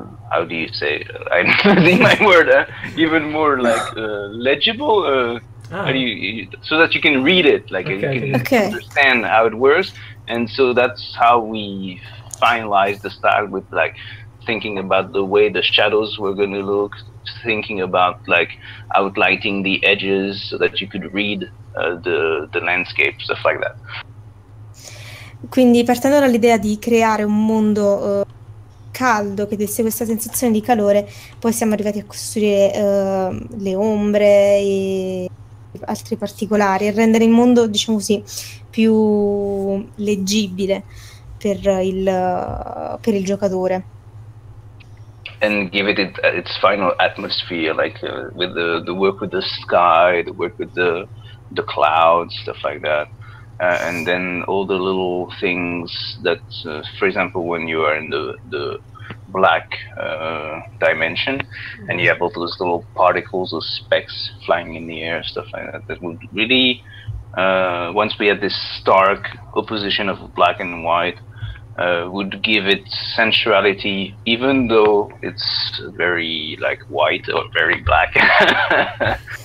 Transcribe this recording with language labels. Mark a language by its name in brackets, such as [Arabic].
[English] how do you say, I'm losing my word, even more like legible, so that you can read it, like okay. You can understand how it works, and so that's how we finalized the style, with like thinking about the way the shadows were going to look, thinking about like outlighting the edges so that you could read the landscape, stuff like that. [Italian] Quindi partendo dall'idea di creare un mondo caldo che desse questa sensazione di calore, poi siamo arrivati a costruire le ombre e altri particolari e rendere il mondo, diciamo così, più leggibile per il giocatore. [English] And give it its final atmosphere, like with the work with the sky, the work with the clouds, stuff like that. And then all the little things that, for example, when you are in the black dimension, and you have all those little particles or specks flying in the air, stuff like that, that would really, once we had this stark opposition of black and white, would give it sensuality, even though it's very like white or very black.